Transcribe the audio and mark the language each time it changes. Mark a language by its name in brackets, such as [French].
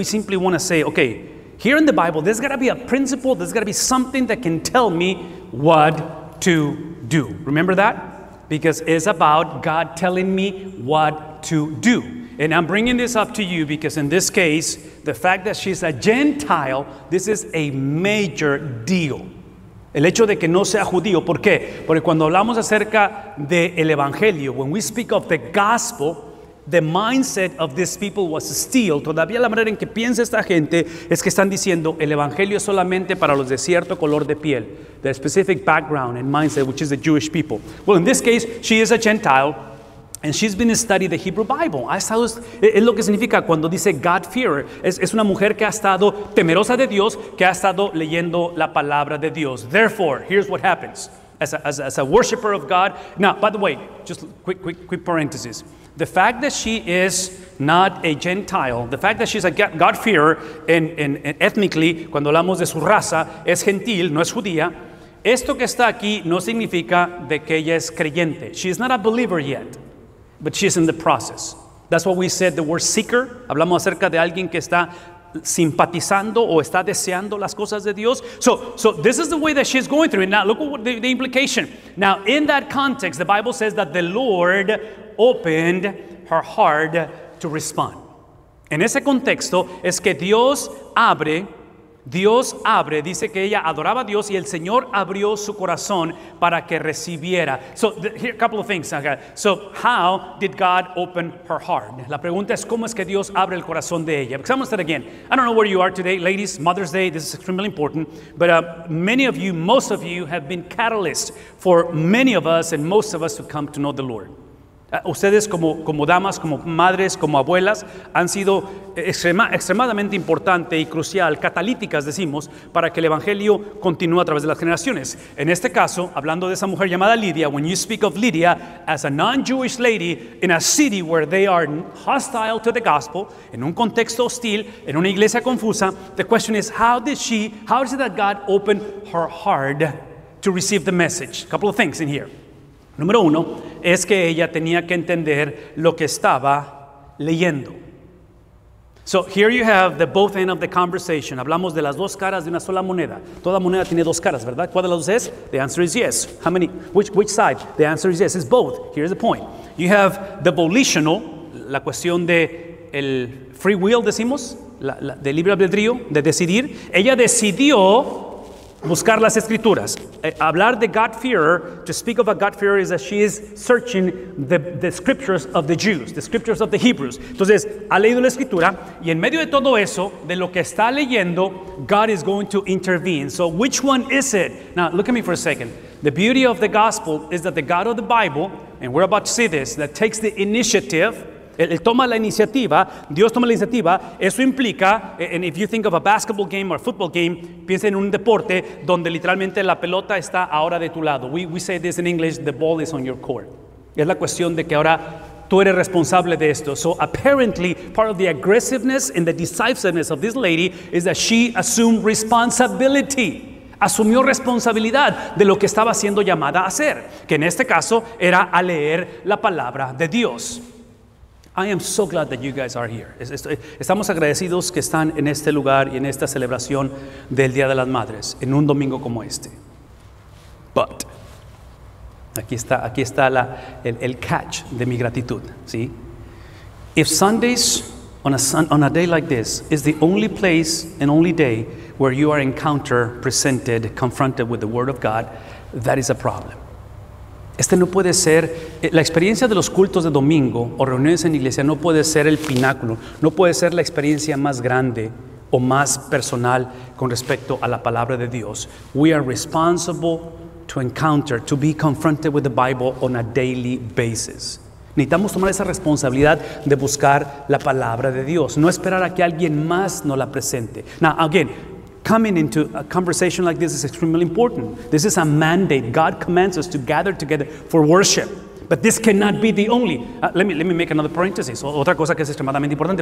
[English] We simply want to say, okay, here in the Bible, there's got to be a principle, there's got to be something that can tell me what to do. Remember that? Because it's about God telling me what to do. And I'm bringing this up to you because in this case, the fact that she's a Gentile, this is a major deal. [Spanish] El hecho de que no sea judío, ¿por qué? Porque cuando hablamos acerca del evangelio, [English] when we speak of the gospel, the mindset of these people was still, [Spanish] todavía la manera en que piensa esta gente es que están diciendo el evangelio es solamente para los de cierto color de piel, [English] their specific background and mindset, which is the Jewish people. Well, in this case, she is a Gentile, and she's been studying the Hebrew Bible. [Spanish] Es lo que significa cuando dice God-fearer. Es una mujer que ha estado temerosa de Dios, que ha estado leyendo la palabra de Dios. [English] Therefore, here's what happens. As a worshiper of God. Now, by the way, just quick parenthesis. The fact that she is not a Gentile, the fact that she's a God-fearer, and ethnically, [Spanish] cuando hablamos de su raza, es gentil, no es judía. Esto que está aquí no significa de que ella es creyente. [English] She is not a believer yet. But she's in the process. That's why we said the word seeker. [Spanish] Hablamos acerca de alguien que está simpatizando o está deseando las cosas de Dios. [English] So this is the way that she's going through it. Now, look at the implication. Now, in that context, the Bible says that the Lord opened her heart to respond. [Spanish] En ese contexto, es que Dios abre, dice que ella adoraba a Dios y el Señor abrió su corazón para que recibiera. [English] So, here a couple of things. Okay. So, how did God open her heart? [Spanish] La pregunta es, ¿cómo es que Dios abre el corazón de ella? [English] Because I'm going to say it again. I don't know where you are today, ladies, Mother's Day, this is extremely important. But many of you, most of you have been catalysts for many of us and most of us to come to know the Lord. [Spanish] Ustedes como damas, como madres, como abuelas, han sido extremadamente importante y crucial, catalíticas decimos, para que el evangelio continúe a través de las generaciones. En este caso, hablando de esa mujer llamada Lydia, [English] when you speak of Lydia as a non-Jewish lady in a city where they are hostile to the gospel, [Spanish] en un contexto hostil, en una iglesia confusa, [English] the question is, how is it that God opened her heart to receive the message? A couple of things in here. [Spanish] Número uno, es que ella tenía que entender lo que estaba leyendo. [English] So here you have the both end of the conversation. [Spanish] Hablamos de las dos caras de una sola moneda. Toda moneda tiene dos caras, ¿verdad? ¿Cuál de las dos es? [English] The answer is yes. How many? Which side? The answer is yes. It's both. Here's the point. You have the volitional, [Spanish] la cuestión de el free will, decimos, de libre albedrío, de decidir. Ella decidió buscar las escrituras. Hablar de [English] God-fearer, to speak of a God-fearer is that she is searching the scriptures of the Jews, the scriptures of the Hebrews. [Spanish] Entonces, ha leído la escritura, y en medio de todo eso, de lo que está leyendo, [English] God is going to intervene. So, which one is it? Now, look at me for a second. The beauty of the gospel is that the God of the Bible, and we're about to see this, that takes the initiative. [Spanish] Él toma la iniciativa, Dios toma la iniciativa, eso implica, [English] and if you think of a basketball game or a football game, [Spanish] piensa en un deporte donde literalmente la pelota está ahora de tu lado. [English] We say this in English, the ball is on your court. [Spanish] Es la cuestión de que ahora tú eres responsable de esto. [English] So apparently, part of the aggressiveness and the decisiveness of this lady is that she assumed responsibility. [Spanish] Asumió responsabilidad de lo que estaba siendo llamada a hacer, que en este caso era a leer la palabra de Dios. [English] I am so glad that you guys are here. [Spanish] Estamos agradecidos que están en este lugar y en esta celebración del Día de las Madres, en un domingo como este. But, aquí está el catch de mi gratitud, ¿sí? [English] If Sundays, on a day like this, is the only place and only day where you are confronted with the Word of God, that is a problem. [Spanish] Este no puede ser, la experiencia de los cultos de domingo o reuniones en iglesia no puede ser el pináculo, no puede ser la experiencia más grande o más personal con respecto a la palabra de Dios. [English] We are responsible to encounter, to be confronted with the Bible on a daily basis. [Spanish] Necesitamos tomar esa responsabilidad de buscar la palabra de Dios, no esperar a que alguien más nos la presente. [English] Now, again, coming into a conversation like this is extremely important. This is a mandate. God commands us to gather together for worship. But this cannot be the only. Let me make another parenthesis. [Spanish] Otra cosa que es extremadamente importante.